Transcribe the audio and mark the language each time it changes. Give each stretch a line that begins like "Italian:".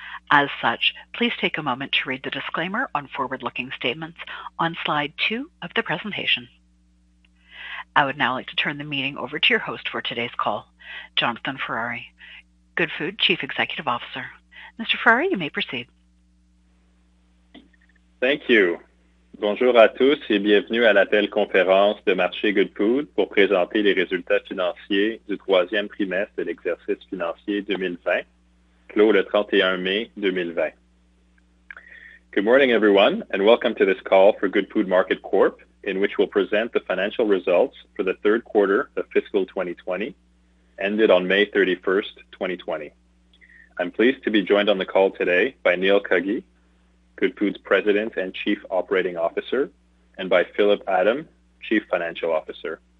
English: As such, please take a moment to read the disclaimer on forward-looking statements on slide 2 of the presentation. I would now like to turn the meeting over to your host for today's call, Jonathan Ferrari, Goodfood Chief Executive Officer. Mr. Ferrari, you may proceed. Thank you.
French: Bonjour à tous et bienvenue à l'appel conférence de marché Goodfood pour présenter les résultats financiers du troisième trimestre de l'exercice financier 2020, clos le 31 mai 2020.
English: Good morning, everyone, and welcome to this call for Goodfood Market Corp, in which we'll present the financial results for the third quarter of fiscal 2020, ended on May 31st, 2020. I'm pleased to be joined on the call today by Neil Cuggy, Goodfood's President and Chief Operating Officer, and by Philip Adam, Chief Financial Officer.